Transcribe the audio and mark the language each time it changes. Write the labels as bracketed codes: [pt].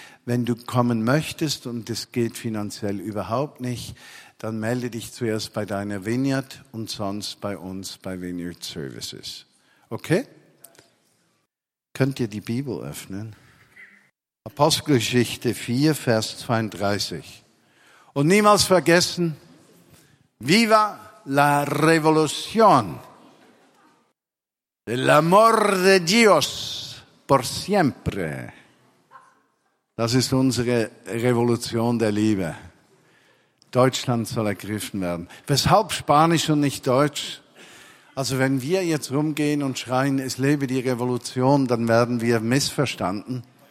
[de] Wenn du kommen möchtest und es geht finanziell überhaupt nicht, dann melde dich zuerst bei deiner Vineyard und sonst bei uns bei Vineyard Services. Okay? Könnt ihr die Bibel öffnen? Apostelgeschichte 4, Vers 32. [es] Und niemals vergessen, viva la revolución, el amor de Dios por siempre. [de] Das ist unsere Revolution der Liebe. Deutschland soll ergriffen werden. Weshalb Spanisch und nicht Deutsch? Also wenn wir jetzt rumgehen und schreien, es lebe die Revolution, dann werden wir missverstanden.